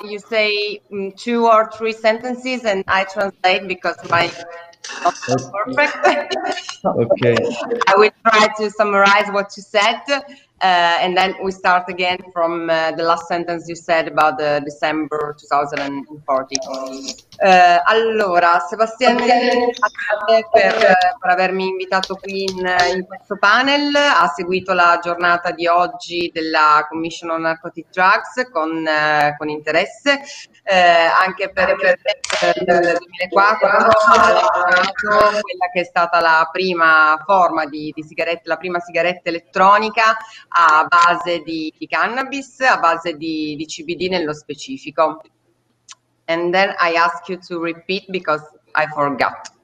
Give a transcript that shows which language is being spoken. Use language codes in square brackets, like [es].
[en] You say two or three sentences, and I translate because my not perfect. Okay. I will try to summarize what you said, and then we start again from the last sentence you said about the December 2014. [it] Allora, Sébastien, grazie per avermi invitato qui in questo panel. Ha seguito la giornata di oggi della Commission on Narcotic Drugs con interesse, anche perché nel 2004 ho fatto quella che è stata la prima forma di sigaretta, la prima sigaretta elettronica a base di cannabis, a base di CBD nello specifico. [en] And then I ask you to repeat because I forgot.